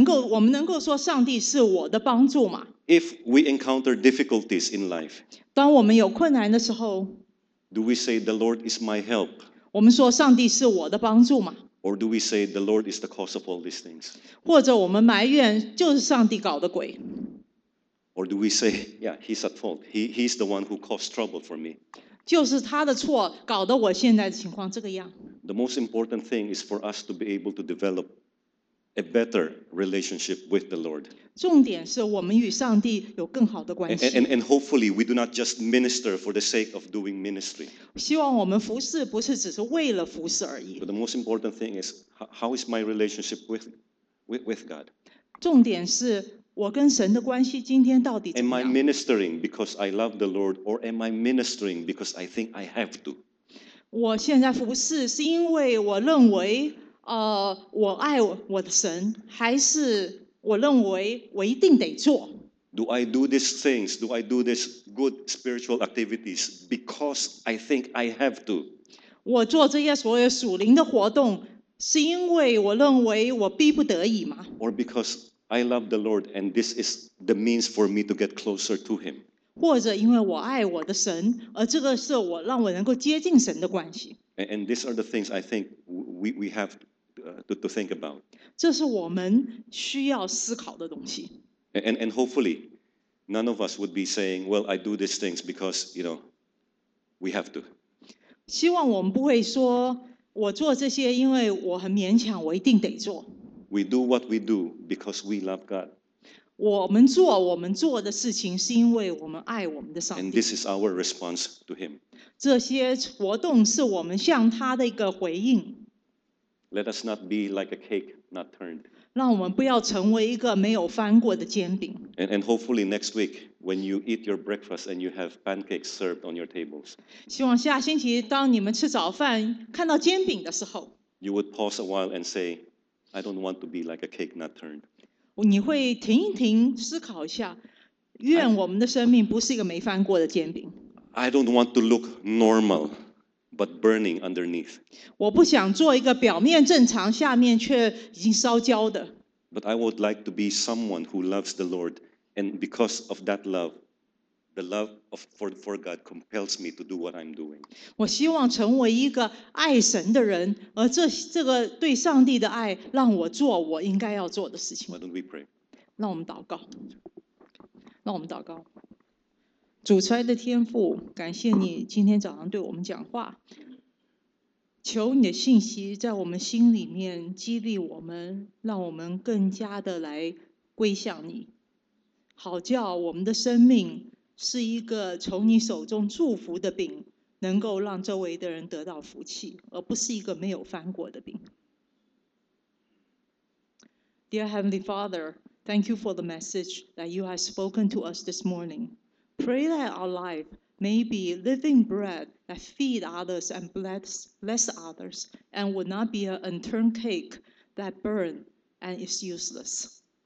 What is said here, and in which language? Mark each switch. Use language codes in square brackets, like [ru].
[zh] 我们能够说上帝是我的帮助吗？ [en] If we encounter difficulties in life, [zh] 当我们有困难的时候 [en] do we say the Lord is my help? [zh] 我们说上帝是我的帮助吗？ [en] Or do we say the Lord is the cause of all these things? [zh] 或者我们埋怨就是上帝搞的鬼？ [en] Or do we say, yeah, he's at fault. He's the one who caused trouble for me. [zh] 就是他的错，搞得我现在的情况这个样。 [en] The most important thing is for us to be able to develop a better relationship with the Lord. [zh] 重点是我们与上帝有更好的关系。 [en] And hopefully we do not just minister for the sake of doing ministry. [zh] 希望我们服事不是只是为了服事而已。 [en] But the most important thing is how is my relationship with God? [zh] 重点是我跟神的关系今天到底怎么样。 [en] Am I ministering because I love the Lord or am I ministering because I think I have to? [zh] 我现在服事是因为我认为我爱我的神，还是我认为我一定得做。 [en] Do I do these things? Do I do these good spiritual activities because I think I have to? [zh] 我做这些所有属灵的活动，是因为我认为我逼不得已吗？ [en] Or because I love the Lord and this is the means for me to get closer to Him? [zh] 或者因为我爱我的神，而这个是我让我能够接近神的关系。 [en] And these are the things I think we have to think about. [zh] 这是我们需要思考的东西。 [en] And hopefully, none of us would be saying, "Well, I do these things because you know we have to." [zh] 希望我们不会说我做这些因为我很勉强，我一定得做。 [en] We do what we do because we love God. [zh] 我们做我们做的事情是因为我们爱我们的上帝。 [en] And this is our response to him. [zh] 这些活动是我们向他的一个回应。 [en] Let us not be like a cake not turned. [zh] 让我们不要成为一个没有翻过的煎饼。 [en] And hopefully next week, when you eat your breakfast and you have pancakes served on your tables. [zh] 希望下星期当你们吃早饭看到煎饼的时候。 [en] You would pause a while and say, I don't want to be like a cake not turned. [zh] 你会停一停思考一下，愿我们的生命不是一个没翻过的煎饼。 [en] I don't want to look normal. But burning underneath. [zh] 我不想做一个表面正常，下面却已经烧焦的。 [en] But I would like to be someone who loves the Lord, and because of that love, the love of for God compels me to do what I'm doing. [zh] 我希望成为一个爱神的人，而这个对上帝的爱让我做我应该要做的事情。 [en] Why don't we pray? [zh] 让我们祷告。让我们祷告。主慈爱的天父，感谢你今天早上对我们讲话，求你的信息在我们心里面激励我们，让我们更加的来归向你，好叫我们的生命是一个从你手中祝福的饼，能够让周围的人得到福气，而不是一个没有翻过的饼。 [en] Dear Heavenly Father, thank you for the message that you have spoken to us this morning. Pray that our life may be living bread that feed others and bless others, and would not be an unturned cake that burn and is useless.